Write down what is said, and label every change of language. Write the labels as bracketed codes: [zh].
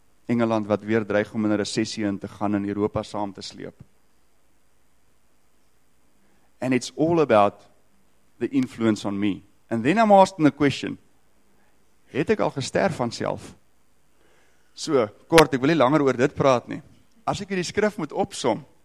[af] Engeland wat weer dreig om in 'n resessie in te gaan en Europa saam te sleep. [en] And it's all about the influence on me. And then I'm asking the question, [af] het ek al gesterf van self? So, kort, ek wil nie langer oor dit praat nie. As ek hierdie skrif moet opsom,